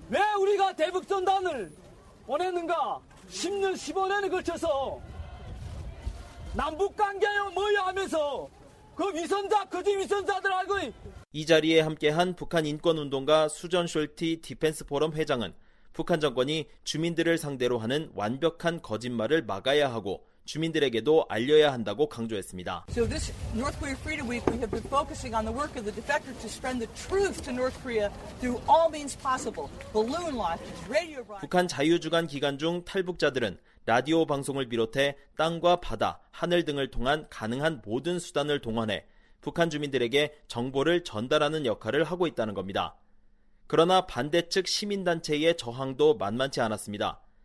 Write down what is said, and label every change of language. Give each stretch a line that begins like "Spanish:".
Korean: 왜 우리가 대북전단을 원했는가? 10년, 15년에 걸쳐서 남북관계요 뭐요 하면서 그 위선자, 거지 위선자들 알고 이 자리에 함께한 북한 인권운동가 수전 숄티 디펜스 포럼 회장은 북한 정권이 주민들을 상대로 하는 완벽한 거짓말을 막아야 하고 주민들에게도 알려야 한다고 강조했습니다.
English: So this North Korea Freedom Week, we have been focusing on the work of the defectors to spread the truth to North Korea through all means possible. Balloon launches, radio broadcast.
Korean: 북한 자유주간 기간 중 탈북자들은 라디오 방송을 비롯해 땅과 바다, 하늘 등을 통한 가능한 모든 수단을 동원해 북한 주민들에게 정보를 전달하는 역할을 하고 있다는 겁니다. 그러나 반대측 시민단체의 저항도 만만치 않았습니다.